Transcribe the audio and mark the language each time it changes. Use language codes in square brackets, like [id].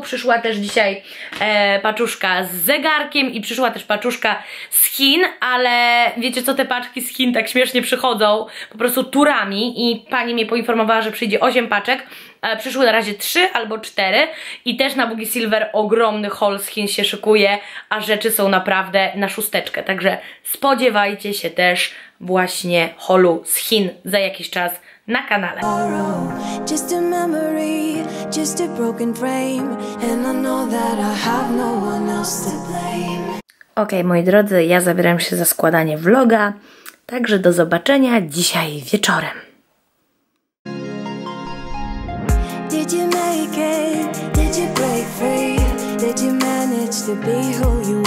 [pl] Przyszła też dzisiaj paczuszka z zegarkiem i przyszła też paczuszka z Chin, ale wiecie co, te paczki z Chin tak śmiesznie przychodzą po prostu turami i pani mnie poinformowała, że przyjdzie 8 paczek, ale przyszły na razie 3 albo 4 i też na Bugi Silver ogromny haul z Chin się szykuje, a rzeczy są naprawdę na szósteczkę, także spodziewajcie się też właśnie haulu z Chin za jakiś czas na kanale. [en] Just a memory, just a broken frame, and I know that I have no one else to blame. [pl] Okej, moi drodzy, ja zabieram się za składanie vloga, także do zobaczenia dzisiaj wieczorem. [en] Did you make it? Did you break free? Did you manage to be who you are?